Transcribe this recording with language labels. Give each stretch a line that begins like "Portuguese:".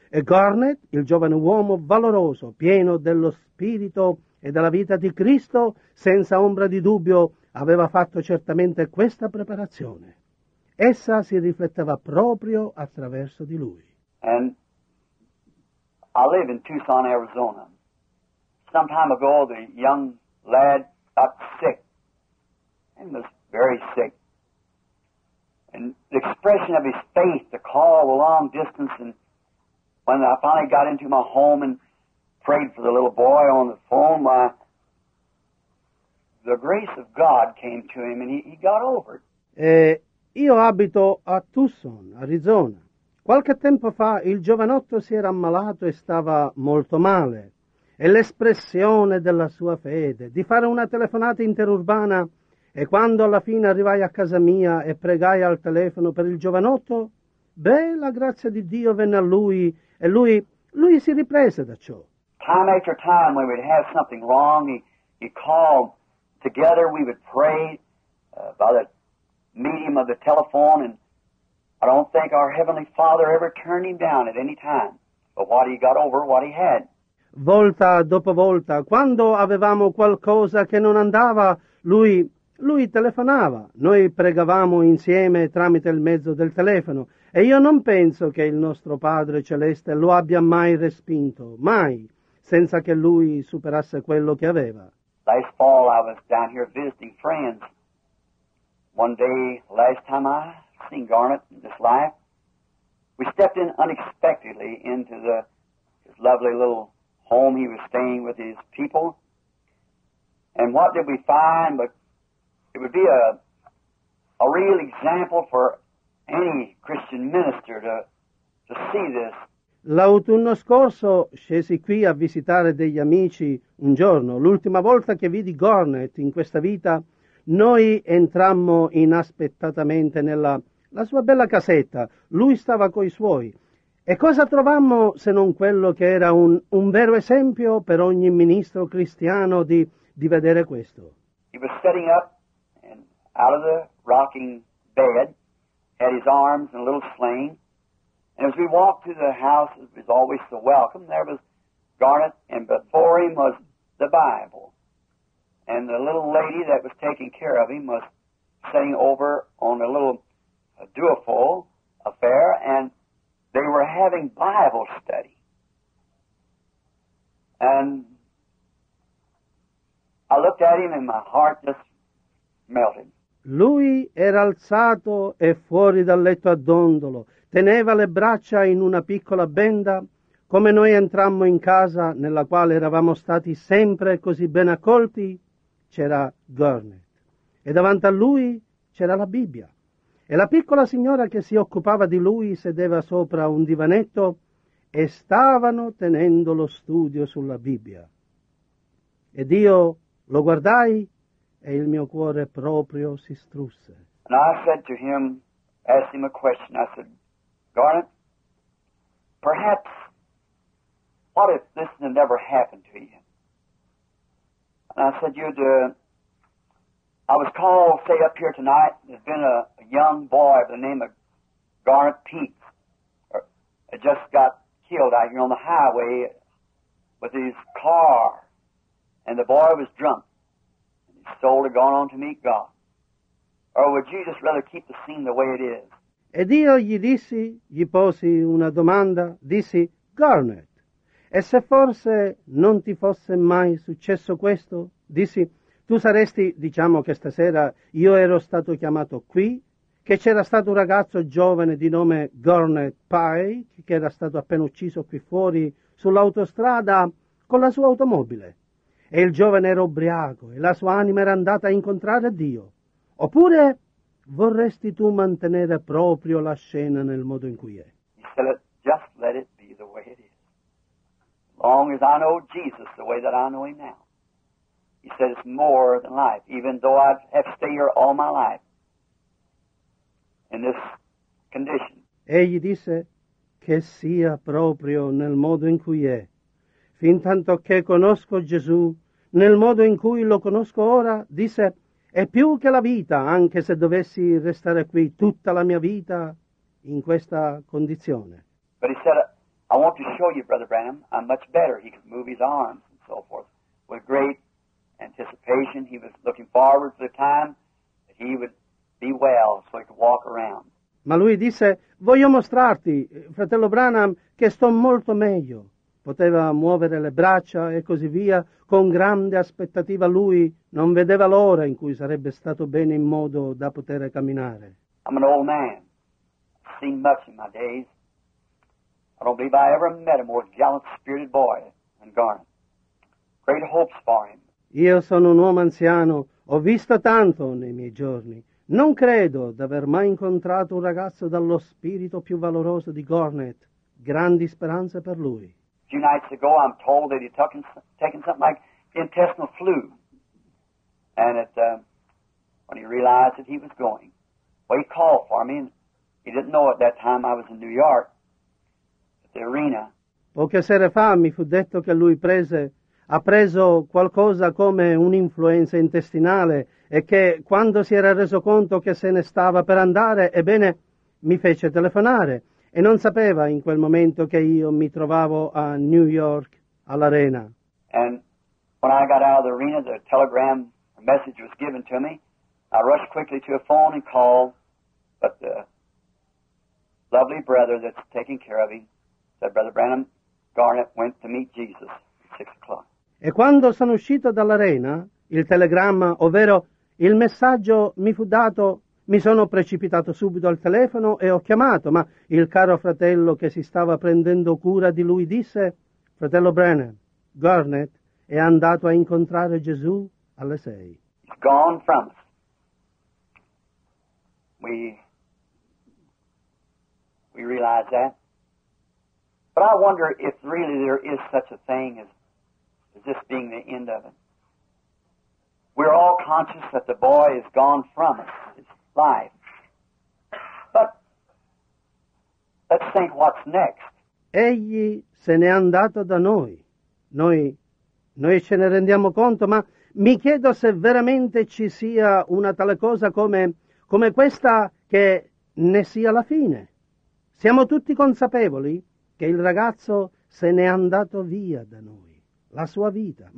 Italian: E Garnet, il giovane uomo valoroso, pieno dello spirito e della vita di Cristo, senza ombra di dubbio, aveva fatto certamente questa preparazione. Essa si rifletteva proprio attraverso di lui.
English: And I live in Tucson, Arizona. Some time ago, the young lad got sick. And was very sick. And the expression of his faith, the call, the long distance, and when I finally got into my home and prayed for the little boy on the phone, the grace of God came to him and he got over it.
Italian: Io abito a Tucson, Arizona. Qualche tempo fa il giovanotto si era ammalato e stava molto male. E l'espressione della sua fede, di fare una telefonata interurbana, e quando alla fine arrivai a casa mia e pregai al telefono per il giovanotto, beh, la grazia di Dio venne a lui e lui si riprese da ciò.
English: Time after time, when we'd have something wrong, he called. Together we would pray by the medium of the telephone, and I don't think our Heavenly Father ever turned him down at any time. But what he got over, what he had.
Italian: Volta dopo volta, quando avevamo qualcosa che non andava, lui telefonava. Noi pregavamo insieme tramite il mezzo del telefono. E io non penso che il nostro Padre Celeste lo abbia mai respinto, mai, senza che lui superasse quello che aveva.
English: Last fall I was down here visiting friends. One day, last time I seen Garnet in this life, we stepped in unexpectedly into his lovely little home he was staying with his people. And what did we find? But it would be a real example for any Christian minister to see this.
Italian: L'autunno scorso scesi qui a visitare degli amici un giorno. L'ultima volta che vidi Garnet in questa vita, noi entrammo inaspettatamente nella la sua bella casetta. Lui stava coi suoi. E cosa trovammo se non quello che era un vero esempio per ogni ministro cristiano di vedere questo?
English: He was sitting up and out of the rocking bed, had his arms in a little sling. And as we walked through the house, it was always so welcome. There was Garnet, and before him was the Bible. And the little lady that was taking care of him was sitting over on a little duofold affair, and they were having Bible study. And I looked at him, and my heart just melted.
Italian: Lui era alzato e fuori dal letto a dondolo. Teneva le braccia in una piccola benda, come noi entrammo in casa nella quale eravamo stati sempre così ben accolti, c'era Garnet. E davanti a lui c'era la Bibbia. E la piccola signora che si occupava di lui sedeva sopra un divanetto e stavano tenendo lo studio sulla Bibbia. Ed io lo guardai e il mio cuore proprio si strusse.
English: And I said to him, asked him a question, I said, Garnet, perhaps, what if this had never happened to you? And I said, I was called, say, up here tonight, there's been a young boy by the name of Garnet Pete, had just got killed out here on the highway with his car, and the boy was drunk, and his soul had gone on to meet God. Or would you just rather keep the scene the way it is?
Italian: Ed io gli posi una domanda, dissi, Garnet, e se forse non ti fosse mai successo questo? Dissi, tu saresti, diciamo che stasera io ero stato chiamato qui, che c'era stato un ragazzo giovane di nome Garnet Pike, che era stato appena ucciso qui fuori, sull'autostrada, con la sua automobile. E il giovane era ubriaco, e la sua anima era andata a incontrare Dio. Oppure vorresti tu mantenere proprio la scena nel modo in cui è?
English: He said, just let it be the way it is. Long as I know Jesus the way that I know him now. He said, it's more than life, even though I have stayed here all my life in this condition.
Italian: Egli disse, che sia proprio nel modo in cui è. Fin tanto che conosco Gesù, nel modo in cui lo conosco ora, disse, è più che la vita, anche se dovessi restare qui tutta la mia vita in questa condizione.
English: But he said, I want to show you, Brother Branham, I'm much better. He could move his arms and so forth. With great anticipation, he was looking forward to the time that he would be well so he could walk around.
Italian: Ma lui disse, voglio mostrarti, fratello Branham, che sto molto meglio. Poteva muovere le braccia e così via, con grande aspettativa lui non vedeva l'ora in cui sarebbe stato bene in modo da poter camminare.
English: I'm an old man. I've seen much in my days. I don't believe I ever met a more gallant spirited boy than Garnet. Great hopes for him.
Italian: Io sono un uomo anziano, ho visto tanto nei miei giorni. Non credo d'aver mai incontrato un ragazzo dallo spirito più valoroso di Gornet. Grandi speranze per lui.
English: A few nights ago I'm told that he took taken something like intestinal flu. And it when he realized that he was going. Well, he called for me and he didn't know at that time I was in New York at the arena.
Italian: Poche sere fa mi fu detto che lui ha preso qualcosa come un'influenza intestinale e che quando si era reso conto che se ne stava per andare, ebbene, mi fece telefonare e non sapeva in quel momento che io mi trovavo a New York, all'arena.
English: And when I got out of the arena, the telegram message was given to me. I rushed quickly to a phone and called, but the lovely brother that's taking care of him said, Brother Branham, Garnet went to meet Jesus.
Italian: E quando sono uscito dall'arena, il telegramma, ovvero il messaggio mi fu dato, mi sono precipitato subito al telefono e ho chiamato, ma il caro fratello che si stava prendendo cura di lui disse, fratello Brennan, Garnet è andato a incontrare Gesù alle 6.
English: He's gone from us. We realize that. But I wonder if really there is such a thing as this being the end of it. We're all conscious that the boy is gone from us, his life. But let's think what's next.
Italian: Egli se n'è andato da noi. Noi ce ne rendiamo conto, ma mi chiedo se veramente ci sia una tale cosa come questa che ne sia la fine. Siamo tutti consapevoli che il ragazzo se n'è andato via da noi, la sua vita.